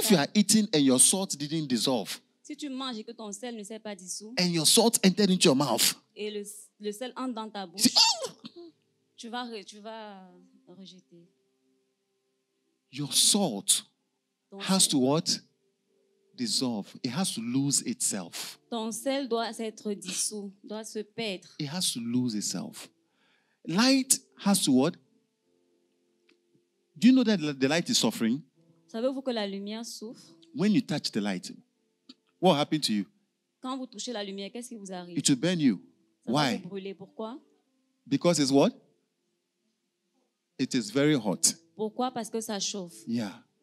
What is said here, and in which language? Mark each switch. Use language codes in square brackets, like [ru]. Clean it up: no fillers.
[en] If you are eating and your salt didn't dissolve, [fr] si tu manges et que ton sel ne s'est pas dissous, [en] and your salt entered into your mouth, [fr] et le sel entre dans ta bouche, tu vas rejeter. [en] Your salt has to what? Dissolve. It has to lose itself. [fr] Ton sel doit être dissous, doit se perdre. [en] It has to lose itself. Light has to what? Do you know that the light is suffering? [fr] Savez-vous que la lumière souffre? [en] When you touch the light, what happened to you? [fr] Quand vous touchez la lumière, qu'est-ce qui vous arrive? [en] It will burn you. [fr] Ça [en] Why? [fr] Va vous brûler. Pourquoi? [en] Because it's what? It is very hot. [fr] Pourquoi? Parce que ça chauffe. [en] Yeah.